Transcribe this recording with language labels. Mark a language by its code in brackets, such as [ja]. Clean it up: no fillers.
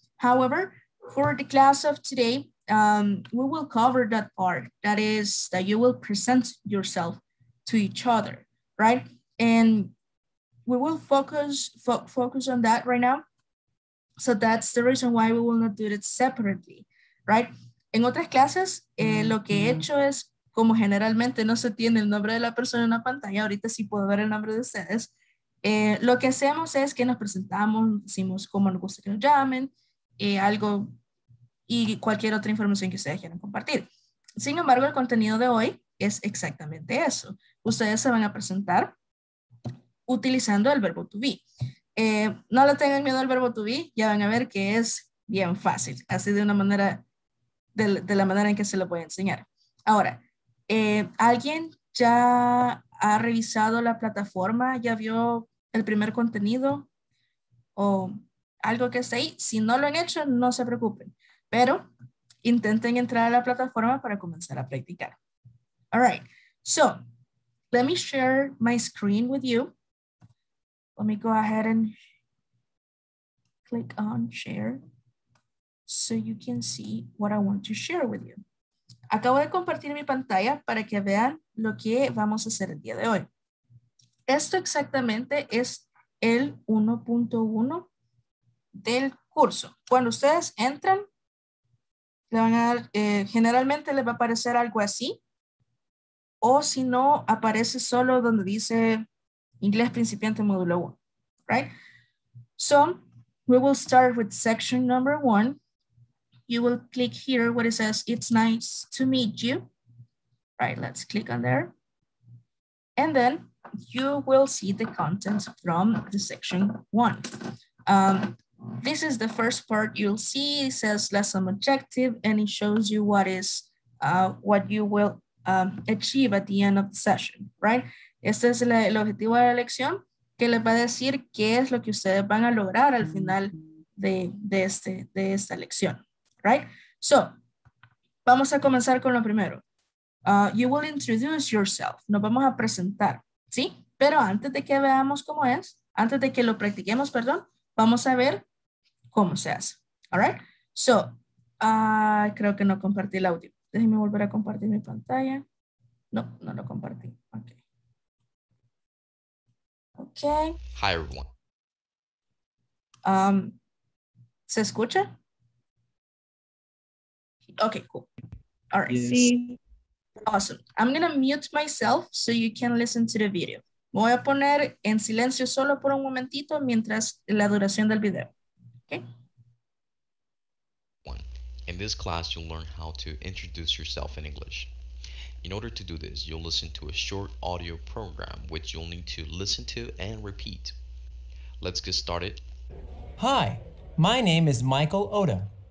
[en] However, for the class of today, we will cover that part, that is that you will present yourself to each other, right? And we will focus on that right now. So that's the reason why we will not do it separately, right? [es] En otras clases, lo que he hecho es, como generalmente no se tiene el nombre de la persona en la pantalla, ahorita sí puedo ver el nombre de ustedes, lo que hacemos es que nos presentamos, decimos cómo nos gusta que nos llamen, algo y cualquier otra información que ustedes quieran compartir. Sin embargo, el contenido de hoy es exactamente eso. Ustedes se van a presentar utilizando el verbo to be. No le tengan miedo al verbo to be, ya van a ver que es bien fácil, así de una manera, de la manera en que se lo voy a enseñar. Ahora, ¿alguien ya ha revisado la plataforma? ¿Ya vio el primer contenido? ¿O algo que está ahí? Si no lo han hecho, no se preocupen, pero intenten entrar a la plataforma para comenzar a practicar. [en] All right, so, let me share my screen with you. Let me go ahead and click on share so you can see what I want to share with you. [es] Acabo de compartir mi pantalla para que vean lo que vamos a hacer el día de hoy. Esto exactamente es el 1.1 del curso. Cuando ustedes entran, le van a dar, generalmente les va a aparecer algo así. O si no, aparece solo donde dice inglés principiante módulo 1. [en] Right, so we will start with section number one. You will click here where it says it's nice to meet you. Right, let's click on there, and then you will see the contents from the section one. This is the first part you'll see. It says lesson objective, and it shows you what is what you will achieve at the end of the session. [es] Right, este es el objetivo de la lección, que les va a decir qué es lo que ustedes van a lograr al final de esta lección, right? So, vamos a comenzar con lo primero. [en] You will introduce yourself. [es] Nos vamos a presentar, ¿sí? Pero antes de que veamos cómo es, antes de que lo practiquemos, perdón, vamos a ver cómo se hace, all right? So, creo que no compartí el audio. Déjenme volver a compartir mi pantalla. No, no lo compartí. Ok. [en] Okay. Hi, everyone. [es] ¿Se escucha? [en] Okay, cool. All right. Yes. Awesome. I'm going to mute myself so you can listen to the video. [es] Me voy a poner en silencio solo por un momentito mientras la duración del video. [en] Okay. One. In this class, you'll learn how to introduce yourself in English. In order to do this, you'll listen to a short audio program, which you'll need to listen to and repeat. Let's get started. Hi, my name is Michael Oda.